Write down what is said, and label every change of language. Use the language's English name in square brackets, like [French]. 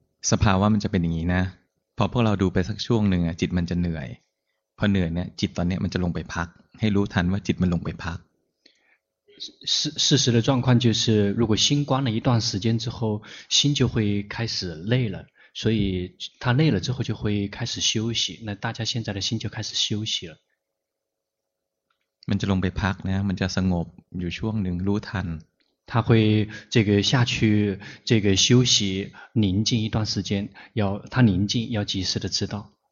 [Thai] สภาวะมันจะเป็นอย่างนี้นะพอพวกเราดูไปสักช่วงหนึ่งจิตมันจะเหนื่อยพอเหนื่อยเนี่ยจิตตอนนี้มันจะลงไปพักให้รู้ทันว่าจิตมันลงไปพัก [Chinese] 事实的状况就是如果心观了一段时间之后心就会开始累了所以他累了之后就会开始休息那大家现在的心就开始休息了 [Thai] มันจะลงไปพักนะมันจะสงบอยู่ช่วงหนึ่งรู้ทัน เขา [Chinese] 会这个下去这个休息宁静一段时间要他宁静要及时的知道